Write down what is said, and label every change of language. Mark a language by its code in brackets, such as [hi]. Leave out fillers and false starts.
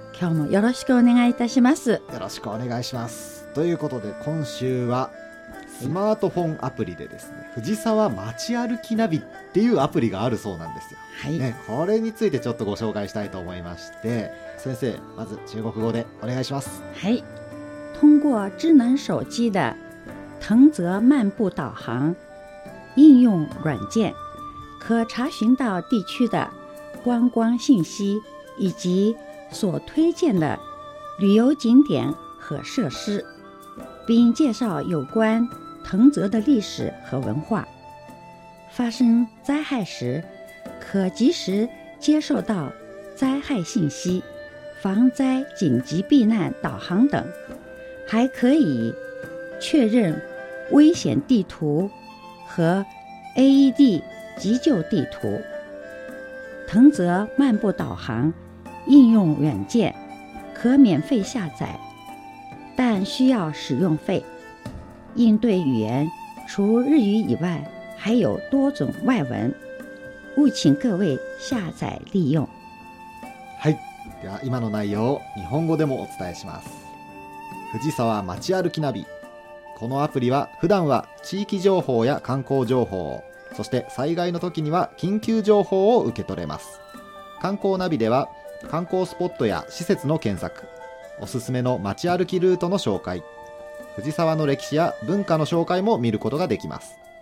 [ja] 今日もよろしくお願いいたします。よろしくお願いします。ということで今週はスマートフォンアプリでですね、藤沢街歩きナビっていうアプリがあるそうなんですよ、はいね、これについてちょっとご紹介したいと思いまして、先生まず中国語でお願いします。はい、 [zh] 通过智能手机的藤泽漫步导航应用软件可查询到地区的观光信息以及所推荐的旅游景点和设施，并介绍有关藤泽的历史和文化。发生灾害时，可及时接受到灾害信息、防灾紧急避难导航等，还可以确认危险地图和 AED 急救地图。藤泽漫步导航应用软件可免费下载，但需要使用费。应对语言除日语以外还有多种外文，务请各位下载利用。 [ja] はい、では今の内容を日本語でもお伝えします。藤沢街歩きナビ。このアプリは普段は地域情報や観光情報を、そして災害の時には緊急情報を受け取れます。観光ナビでは観光スポットや施設の検索、おすすめの街歩きルートの紹介、藤沢の歴史や文化の紹介も見ることができます。